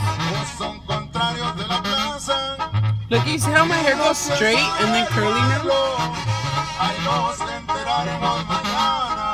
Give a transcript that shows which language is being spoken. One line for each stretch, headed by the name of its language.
Spanish: Pues son contrarios de la plaza.
English: Look, you see how my hair goes straight and then curly now?
Spanish: Ay, nos enteraremos mañana.